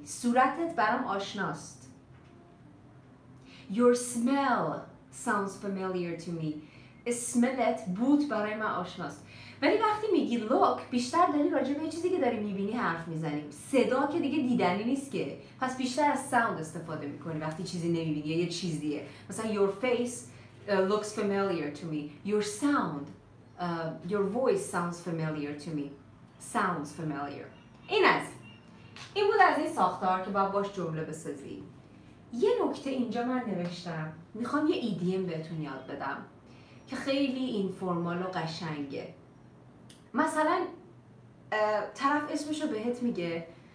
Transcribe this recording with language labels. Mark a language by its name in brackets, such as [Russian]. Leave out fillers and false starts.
[Persian] صورتت برام آشناست. [English] Your smell sounds familiar to me. [Persian] اسمت بود برای من آشناست. ولی وقتی میگی look بیشتر داری راجع به چیزی که داری میبینی حرف میزنیم. صدا که دیگه دیدنی نیست که. پس بیشتر از sound استفاده میکنی وقتی چیزی نمیبینی یا یه چیزیه. [English] مثلا your face looks familiar to me. Your sound your voice sounds familiar to me. Sounds familiar. [Persian] این از این بود از این ساختار که باید باش جمله بسازی. یه نکته اینجا من نوشتم. میخوام یه idiom بهتون یاد بدم که خیلی این فرمال و قشنگه. مثلا طرف اسمشو بهت میگه.